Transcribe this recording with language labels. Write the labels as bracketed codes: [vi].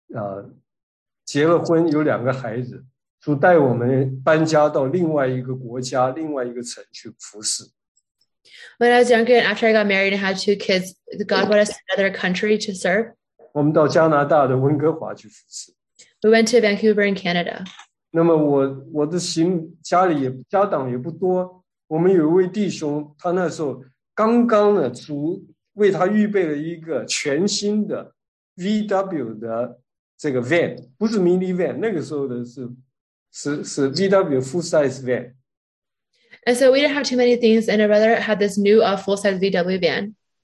[zh] 我年轻的时候啊，结了婚，有两个孩子， 主带我们搬家到另外一个国家，另外一个城去服侍。 [en] When I was younger and after I got married and had two kids, God brought us to another country to serve. [zh] 我们到加拿大的温哥华去服侍。 [en] We went to Vancouver in Canada. [zh] 那么我的家里家当也不多，我们有一位弟兄，他那时候刚刚的主为他预备了一个全新的 VW 的这个 van， 不是 mini van， 那个时候的是 VW full size van。 [en] And so we didn't have too many things, and a brother had this new full size VW van.